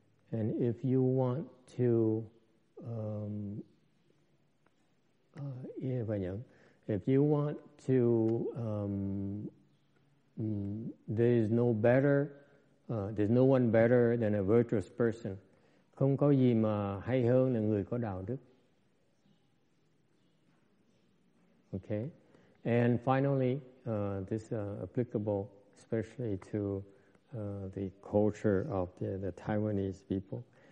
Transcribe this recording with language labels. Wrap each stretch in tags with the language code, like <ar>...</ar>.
<en>And if you want to</en> <vi>yên phải nhẫn.</vi> <en>If you want to, there's no one better than a virtuous person.</en> <vi>Không có gì mà hay hơn là người có đạo đức.</vi> <en>Okay. And finally, this is applicable especially to the culture of the Taiwanese people.</en>